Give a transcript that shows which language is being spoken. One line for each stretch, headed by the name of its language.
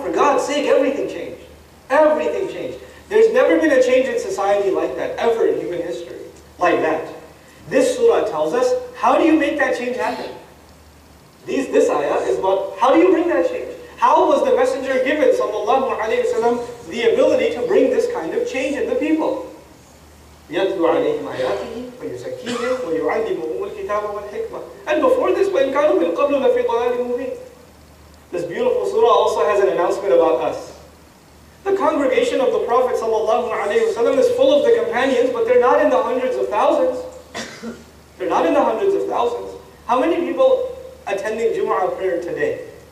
English: For God's sake, everything changed. Everything changed. There's never been a change in society like that, ever in human history, like that. This surah tells us, how do you make that change happen? This ayah is about, how do you bring that change? How was the Messenger given,
Arabic: sallallahu alayhi wa sallam,
English: the ability to bring this kind of change in the people?
Arabic: يَتْلُوا عَلَيْهِمْ آيَاتِهِ وَيُزَكِّيهِمْ وَيُعَلِّمُهُمُ الْكِتَابَ وَالْحِكْمَةَ.
English: And before this,
Arabic: وَإِنْ كَانُوا مِنْ قَبْلُ لَفِي ضَلَالٍ مُبِينٍ.
English: This beautiful surah also has an announcement about us. The congregation of the Prophet ﷺ is full of the companions, but they're not in the hundreds of thousands. They're not in the hundreds of thousands. How many people attending Jumu'ah prayer today?